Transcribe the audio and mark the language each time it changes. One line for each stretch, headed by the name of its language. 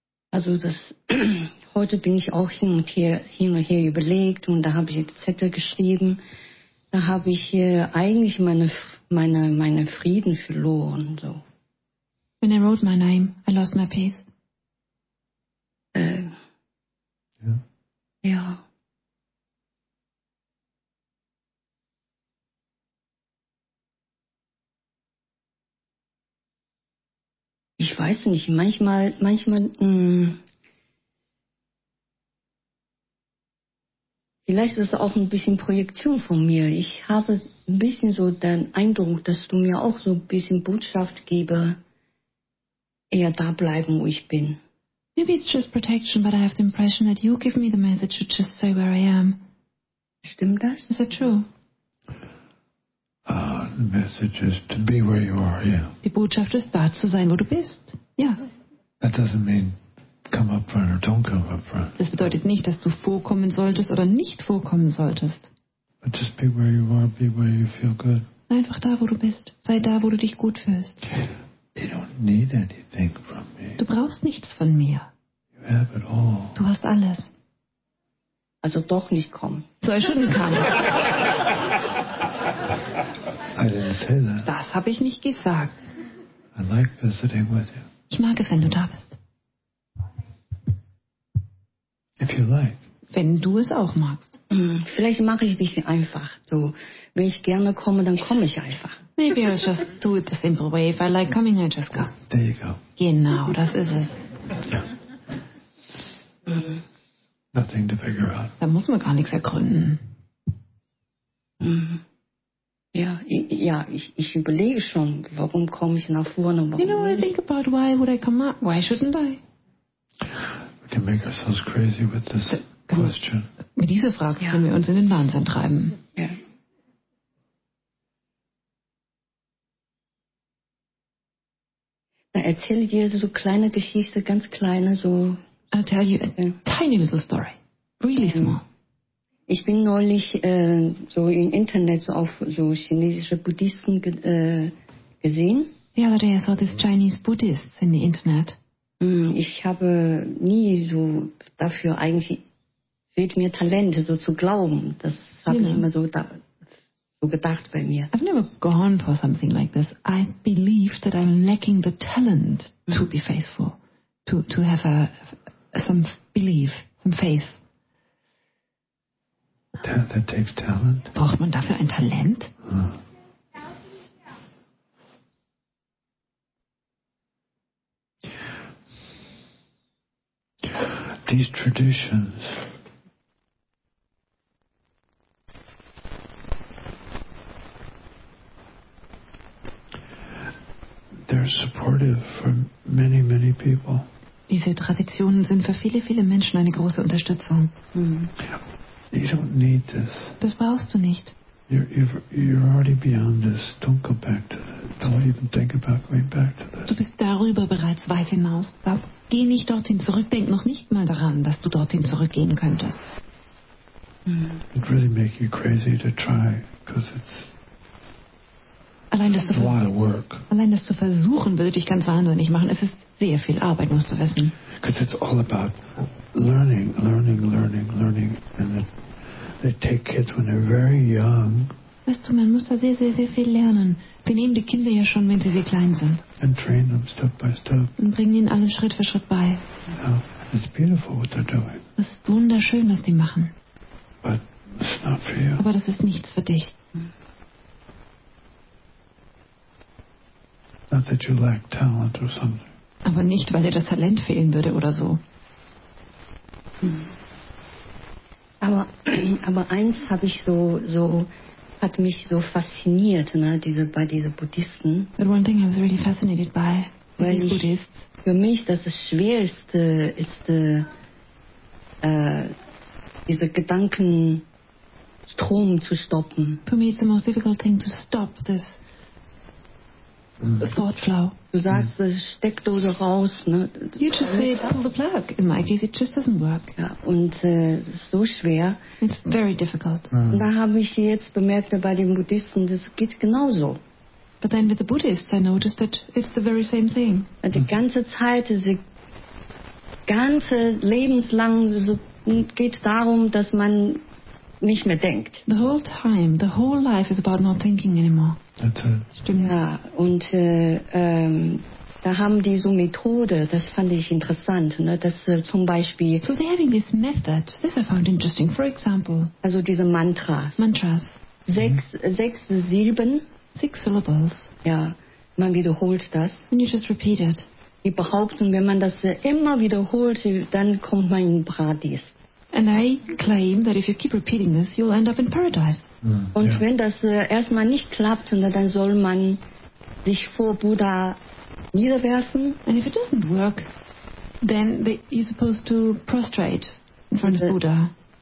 German: Also das heute bin ich auch hin und her überlegt und da habe ich jetzt Zettel geschrieben. Da habe ich eigentlich meine Frieden verloren so.
English: When I wrote my name, I lost my peace.
German: Ja. Ich weiß nicht, vielleicht ist es auch ein bisschen Projektion von mir. Ich habe ein bisschen so den Eindruck, dass du mir auch so ein bisschen Botschaft gebe, eher da bleiben, wo ich bin.
English: Maybe it's just protection, but I have the impression that you give me the message to just stay where I am.
German: Stimmt das?
English: Is that true? The message is to be where you are, yeah.
German: Die Botschaft ist, da zu sein, wo du bist. Ja.
English: That doesn't mean come up front or don't come up front.
German: Das bedeutet nicht, dass du vorkommen solltest oder nicht vorkommen solltest.
English: But just be where you are, be where you feel good.
German: Sei einfach da, wo du bist. Sei da, wo du dich gut fühlst.
English: They don't need anything from me.
German: Du brauchst nichts von mir.
English: You have it all.
German: Du hast alles. Also doch nicht kommen.
English: So, I shouldn't come. I didn't say that.
German: Das habe ich nicht gesagt.
English: I like visiting with you.
German: Ich mag es, wenn du da bist.
English: If you like.
German: Wenn du es auch magst. Vielleicht mache ich ein bisschen einfach. So, wenn ich gerne komme, dann komme ich einfach.
English: Maybe I'll just do it the simple way. If I like coming, I just go. There you go.
German: Genau, das ist es.
English: Yeah. Nothing to figure out.
German: Da muss man gar nichts ergründen. Ich überlege schon, warum komme ich nach vorne?
English: You know what I think about? Why would I come up? Why shouldn't I? We can make ourselves crazy with this question.
German: Mit dieser Frage können wir uns in den Wahnsinn treiben. Erzähl dir so kleine Geschichte, ganz kleine, so.
English: I'll tell you a tiny little story. Really small.
German: Ich bin neulich so im Internet so auf so chinesische Buddhisten gesehen.
English: The other day I saw these Chinese Buddhists in the Internet.
German: Ich habe nie so dafür eigentlich, fehlt mir Talent, so zu glauben. Das habe ich immer so da. gedacht bei mir.
English: I've never gone for something like this. I believe that I'm lacking the talent to be faithful, to have some belief, some faith. That takes talent.
German: Braucht man dafür ein Talent? Huh.
English: These traditions. They're supportive for many, many people.
German: Diese Traditionen sind für viele, viele Menschen eine große Unterstützung.
English: Mm. You don't need this.
German: Das brauchst du nicht.
English: You're already beyond this. Don't go back to this. Don't even think about going back to this.
German: Du bist darüber bereits weit hinaus. Geh nicht dorthin zurück. Denk noch nicht mal daran, dass du dorthin zurückgehen könntest. Mm.
English: It really make you crazy to try, because it's
German: allein das zu versuchen, würde dich ganz wahnsinnig machen. Es ist sehr viel Arbeit, musst du wissen.
English: Because it's all about learning, learning, learning, learning. And they take kids when they're very young.
German: Weißt du, man muss da sehr, sehr, sehr viel lernen. Wir nehmen die Kinder ja schon, wenn sie sehr klein sind.
English: And train them step by step.
German: Und bringen ihnen alles Schritt für Schritt bei.
English: Yeah, it's beautiful what they're doing.
German: Es ist wunderschön, was die machen.
English: But it's not for you.
German: Aber das ist nichts für dich.
English: Not that you lack talent or something.
German: Aber nicht, weil dir das Talent fehlen würde oder so. Hm. Aber eins habe ich so hat mich so fasziniert, ne, diese Buddhisten.
English: But one thing I was really fascinated by,
German: weil
English: these Buddhists.
German: Für mich das Schwerste ist diese Gedankenstrom zu stoppen.
English: For me it's the most difficult thing to stop this. Thoughtflow.
German: Du sagst, die Steckdose raus, ne?
English: You just say, pull the plug. In my case, it just doesn't work.
German: Ja, und so schwer.
English: It's very difficult.
German: Und da habe ich jetzt bemerkt, bei den Buddhisten, das geht genauso.
English: But then with the Buddhists, I noticed that it's the very same thing.
German: Die ganze Zeit, sie ganze lebenslang, so, geht darum, dass man nicht mehr denkt.
English: The whole time, the whole life is about not thinking anymore. That's it.
German: Ja, und da haben die so Methode, das fand ich interessant, ne, dass zum Beispiel.
English: So they're having this method, this I found interesting, for example.
German: Also diese Mantras.
English: Mantras.
German: Sechs Silben.
English: Six syllables.
German: Ja, man wiederholt das.
English: And you just repeat it.
German: Die behaupten, wenn man das immer wiederholt, dann kommt man in Paradies.
English: And I claim that if you keep repeating this, you'll end up in paradise.
German: Und yeah. Wenn das erstmal nicht klappt, dann soll man sich vor Buddha niederwerfen.
English: And if it doesn't work, then you're supposed to prostrate in front of Buddha.